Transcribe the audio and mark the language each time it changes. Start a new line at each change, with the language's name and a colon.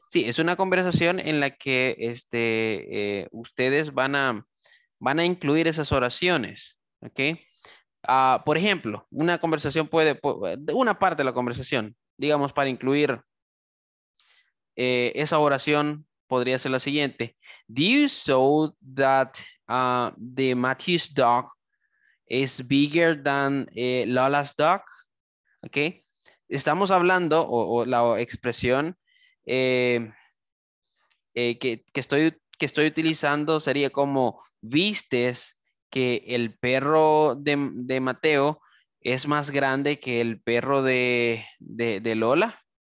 Spanish: Sí, es una conversación en la que ustedes van a incluir esas oraciones, ¿ok? Por ejemplo, una conversación puede, una parte de la conversación, digamos, para incluir esa oración, podría ser la siguiente.
English: Do you saw that the Matthew's dog is bigger than Lola's dog? ¿Ok?
Spanish: Estamos hablando, o la expresión que estoy utilizando sería como, ¿vistes que el perro de Mateo es más grande que el perro de Lola?